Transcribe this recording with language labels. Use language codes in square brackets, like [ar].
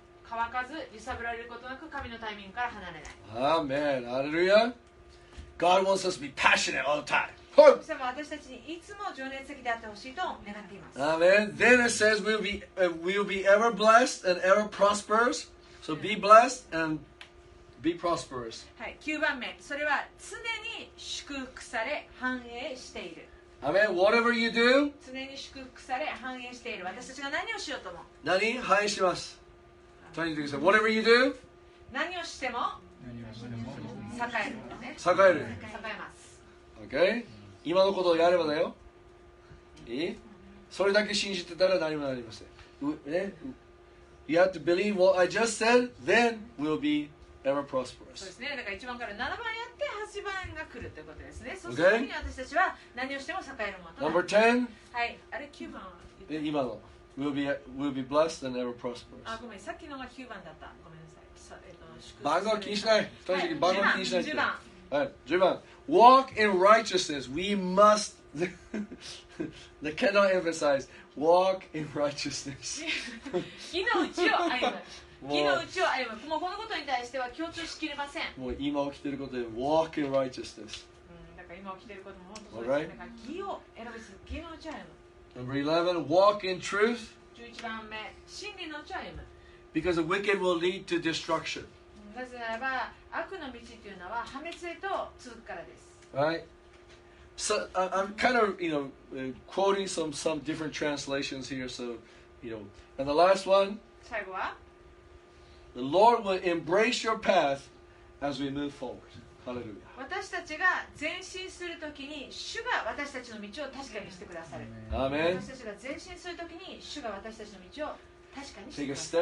[ja] 乾かず、揺さぶられることなく、神のタイミングから離れない。 [en] Amen. Hallelujah. God wants us to be passionate all the time. [ja] 神様は私たちにいつも情熱的であってほしいと願っています。 [en] Amen. Then it says we'll be ever blessed and ever prosperous. So be blessed andBe prosperous. [ja] はい、9番目、それは常に祝福され繁栄している。 [en] Amen. Whatever you do, [ja] 常に祝福され繁栄している。私たちが何をしようとも。何？繁栄します。 [en] Turn to say, whatever you do, [ja] 何をしても栄える。栄える。栄えます。 Okay. 今のことをやればだよ。いい？それだけ信じてたら何もなりません。 [en] ね、You have to believe what I just said, then we'll be. Ever prosperous. [ja] そうですね。だから1番から7番やって8番が来るってことですね。そうするに私たちは何をしても栄えるものと。 Number ten. はい。あれ9番は。今の。 [en] We'll be blessed and ever prosperous. [ja] あ、ごめん。さっきのが9番だった。ごめんなさい。番号気にしない。正直、はい、番号気にしないって。10番。はい。10番。 [en] Walk in righteousness. We must. They cannot emphasize. Walk in righteousness. [ja] 義の内を歩む。義の内を歩む。もうこのことに対しては強調しきれません。もう今起きていることで [en] walk in righteousness。 [ja] うん、だから今起きていることも本当そうです。だから義を選ぶ、義の内を歩む。 [en] Number 11, walk in truth. [ja] 11番目、真理の内を歩む。 [en] Because the wicked will lead to destruction. [ja] なぜならば、悪の道というのは破滅へと続くからです。 [en] Right? So I'm kind of, you know, quoting some different translations here. So, you know, and the last one. [ja] 最後は? [en] The Lord will embrace your path as we move forward. Hallelujah. [ja] 私たちが前進するときに主が私たちの道を確かにしてくださる。 [en] Amen. [ja] 私たちが前進するときに主が私たちの道を確かにしてください。